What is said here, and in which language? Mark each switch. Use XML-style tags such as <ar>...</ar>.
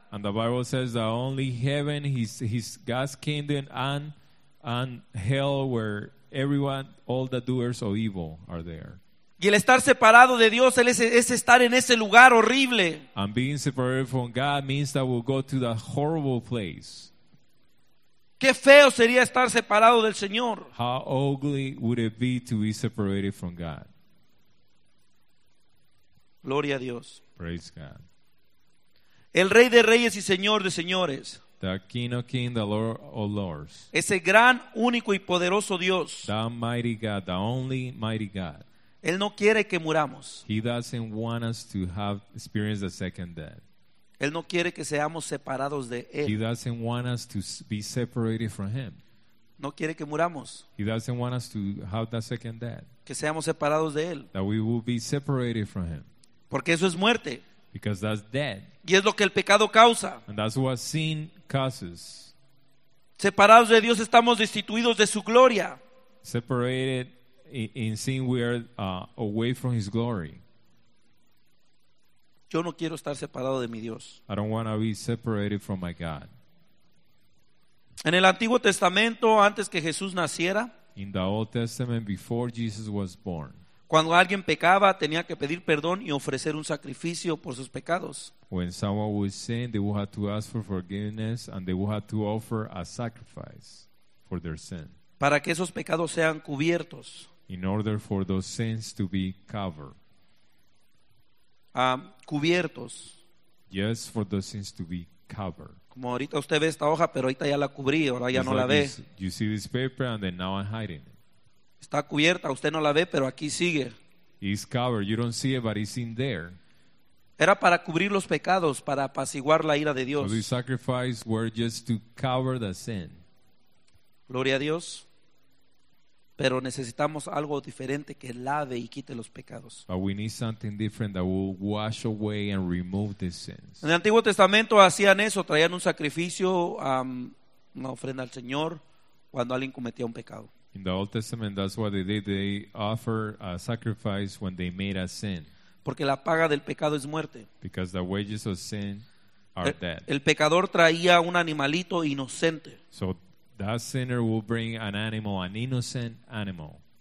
<en>And the Bible says that only heaven, his God's kingdom, and hell, where everyone, all the doers of evil are there.</en> <es>Y el estar separado de Dios es estar en ese lugar horrible.</es> <en>And being separated from God means that we'll go to that horrible place.</en> <es>Qué feo sería estar separado del Señor.</es> <en>How ugly would it be to be separated from God?</en> <es>Gloria a Dios.</es> <en>Praise God.</en> <es>El Rey de Reyes y Señor de Señores.</es> <en>The King of Kings, the Lord of Lords.</en> <es>Ese gran, único y poderoso Dios.</es> <en>The mighty God, the only mighty God.</en> <es>Él no quiere que muramos.</es> <en>He doesn't want us to have experienced a second death.</en> <es>Él no quiere que seamos separados de Él.</es> <en>He doesn't want us to be separated from Him.</en> <es>No quiere que muramos.</es> <en>He doesn't want us to have that second death.</en> <es>Que seamos separados de Él.</es> <en>That we will be separated from Him.</en> <es>Porque eso es muerte.</es> <en>Because that's dead.</en> <es>Y es lo que el pecado causa.</es> <en>And that's what sin causes.</en> <es>Separados de Dios estamos destituidos de su gloria.</es> <en>Separated in sin we are away from his glory.</en> <es>Yo no quiero estar separado de mi Dios.</es> <en>I don't want to be separated from my God.</en> <es>En el Antiguo Testamento, antes que Jesús naciera,</es> <en>in the Old Testament before Jesus was born,</en> <es>cuando alguien pecaba, tenía que pedir perdón y ofrecer un sacrificio por sus pecados.</es> <en>When someone would sin, they would have to ask for forgiveness and they would have to offer a sacrifice for their sin.</en> <es>Para que esos pecados sean cubiertos.</es> <en>In order for those sins to be covered.</en> <es>Cubiertos.</es> <en>Yes, for those sins to be covered.</en> <es>Como ahorita usted ve esta hoja, pero ahorita ya la cubrí, ahora ya</es> <en>it's</en> <es>no</es> <en>like</en> <es>la ve.</es> <en>You see this paper and then now I'm hiding it.</en> <es>Está cubierta, usted no la ve, pero aquí sigue.</es> <en>It's covered, you don't see it, but it's in there.</en> <es>Era para cubrir los pecados, para apaciguar la ira de Dios.</es> <en>So the sacrifices were just to cover the sin.</en> <es>Gloria a Dios. Pero necesitamos algo diferente que lave y quite los pecados.</es> <en>But we need something different that will wash away and remove the sins.</en> <es>En el Antiguo Testamento hacían eso, traían un sacrificio, una ofrenda al Señor, cuando alguien cometía un pecado.</es> <en>In the Old Testament, that's what they did. They offer a sacrifice when they made a sin.</en> <es>Porque la paga del pecado es muerte.</es> <en>Because the wages of sin are death.</en> <es>El pecador traía un animalito inocente.</es> <en>So that sinner will bring an animal, an innocent animal.</en>